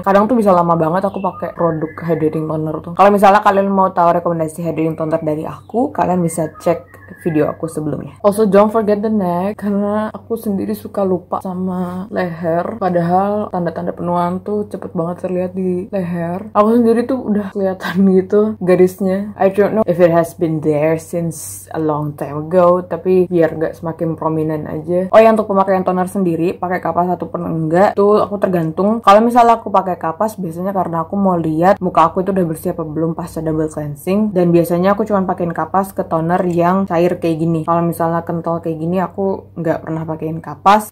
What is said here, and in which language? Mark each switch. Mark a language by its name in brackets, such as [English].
[Indonesian] Kadang tuh bisa lama banget aku pakai produk hydrating toner tuh. Kalau misalnya kalian mau tahu rekomendasi hydrating toner dari aku, kalian bisa cek video aku sebelumnya. [English] Also don't forget the neck, [Indonesian] karena aku sendiri suka lupa sama leher, padahal tanda-tanda penuaan tuh cepet banget terlihat di leher. Aku sendiri tuh udah kelihatan gitu garisnya. [English] I don't know if it has been there since a long time ago, [Indonesian] tapi biar gak semakin prominent aja. Oh ya, untuk pemakaian toner sendiri, pakai kapas ataupun enggak tuh aku tergantung. Kalau misalnya aku pakai kapas, biasanya karena aku mau lihat muka aku itu udah bersih apa belum pasca double cleansing, dan biasanya aku cuma pakein kapas ke toner yang cair kayak gini. Kalau misalnya kental kayak gini, aku nggak pernah pakein kapas.